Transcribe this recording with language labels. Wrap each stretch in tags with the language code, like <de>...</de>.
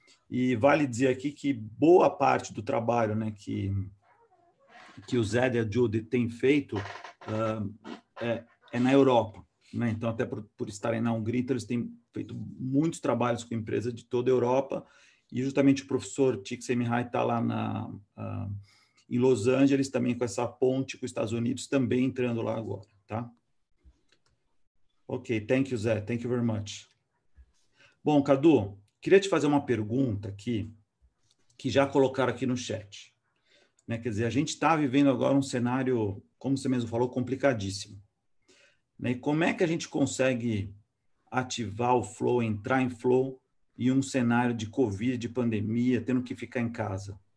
<pt>E vale dizer aqui que boa parte do trabalho, né, que o Zed e a Judy têm feito é na Europa. Né? Então, até por estarem na Hungria, então eles têm feito muitos trabalhos com empresas de toda a Europa, e justamente o professor Csikszentmihalyi está lá em Los Angeles, também com essa ponte com os Estados Unidos, também entrando lá agora, tá?</pt> <en>Ok, thank you, Zé, thank you very much.</en> <pt>Bom, Cadu, queria te fazer uma pergunta aqui, que já colocaram aqui no chat, né? Quer dizer, a gente está vivendo agora um cenário, como você mesmo falou, complicadíssimo, né? E como é que a gente consegue ativar o flow, entrar em flow em um cenário de Covid, de pandemia, tendo que ficar em casa?</pt>